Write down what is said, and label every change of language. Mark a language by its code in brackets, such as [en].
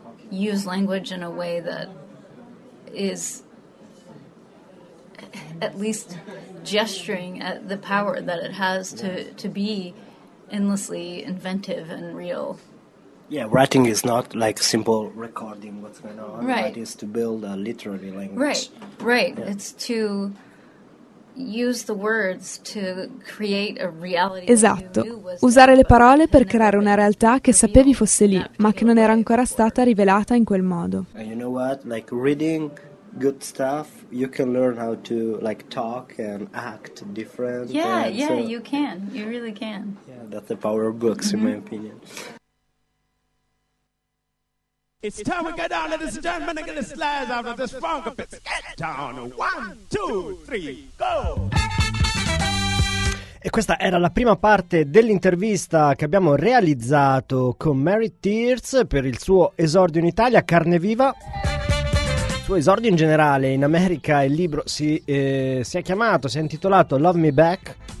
[en] Use language in a way that is at least gesturing at the power that it has to be endlessly inventive and real. Yeah, writing is not like simple recording what's going on, but it's to build a literary language. Right. Yeah. It's to use the words to create a reality. [it] Esatto. Usare le parole per creare una realtà che sapevi fosse lì, ma che non era ancora stata rivelata in quel modo. [en] And you know what? Like reading good stuff, you can learn how to like talk and act different. Yeah, you can. You really can. Yeah, that's the power of books, in my opinion. It's time we get down, ladies and gentlemen, and get the slides out of this funk of it. Get down, 1, 2, 3, go! [it] E questa era la prima parte dell'intervista che abbiamo realizzato con Mary Tears per il suo esordio in Italia, Carne Viva. Il suo esordio in generale in America, il libro si è intitolato Love Me Back.